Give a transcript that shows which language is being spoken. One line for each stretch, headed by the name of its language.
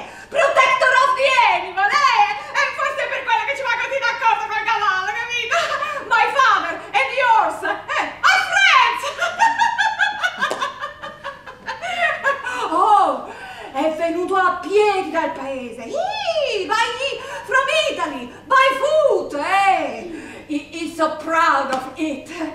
English: Protector of the animal,
Italian: forse per quello che ci va così d'accordo col cavallo, capito?
English: My father and yours, are friends!
Italian: È venuto a piedi dal paese. Vai
English: from Italy, by foot, He's so proud of it.